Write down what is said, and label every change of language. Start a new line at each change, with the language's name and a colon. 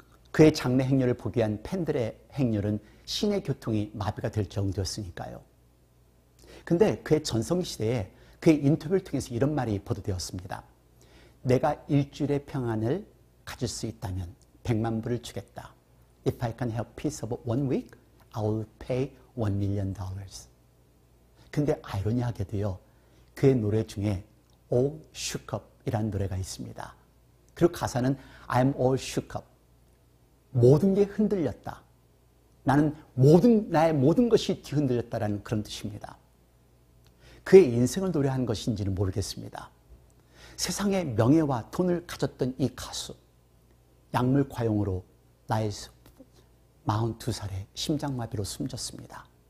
Korean: 그의 장례 행렬을 보기 위한 팬들의 행렬은 시내 교통이 마비가 될 정도였으니까요. 그런데 그의 전성기 시대에 그의 인터뷰를 통해서 이런 말이 보도되었습니다. 내가 일주일의 평안을 가질 수 있다면 100만불을 주겠다.
English: If I can help peace of one week, I will pay $1 million.
Korean: 근데 아이러니하게도요, 그의 노래 중에 All Shook Up 이라는 노래가 있습니다. 그리고 가사는
English: I'm all shook up.
Korean: 모든 게 흔들렸다. 나는 모든, 나의 모든 것이 뒤흔들렸다라는 그런 뜻입니다. 그의 인생을 노래한 것인지는 모르겠습니다. 세상의 명예와 돈을 가졌던 이 가수, 약물 과용으로 나이 42살에 심장마비로 숨졌습니다.